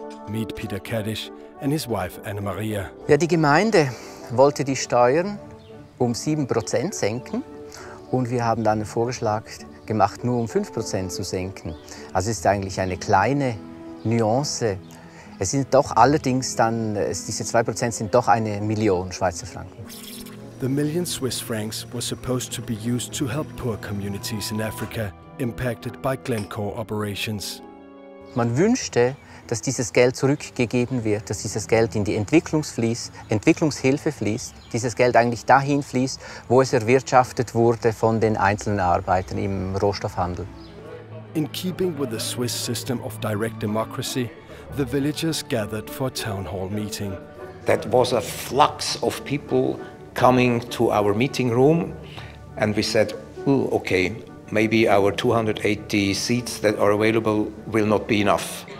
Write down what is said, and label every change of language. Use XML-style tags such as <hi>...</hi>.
<en>Meet Peter Kaddish and his wife Anna Maria.</en> <de>Ja, die Gemeinde wollte die Steuern um 7% senken und wir haben dann einen Vorschlag gemacht, nur um 5% zu senken. Also ist eigentlich eine kleine Nuance. Es sind doch allerdings dann, diese 2% sind doch eine Million Schweizer Franken.</de> <en>The million Swiss francs were supposed to be used to help poor communities in Africa impacted by Glencore operations.</en> <de>Man wünschte, dass dieses Geld zurückgegeben wird, dass dieses Geld in die Entwicklungshilfe fließt, dieses Geld eigentlich dahin fließt, wo es erwirtschaftet wurde von den einzelnen Arbeitern im Rohstoffhandel.</de> <en>In keeping with the Swiss system of direct democracy, the villagers gathered for a town hall meeting. That was a flux of people coming to our meeting room, and we said, ooh, okay, maybe our 280 seats that are available will not be enough.</en>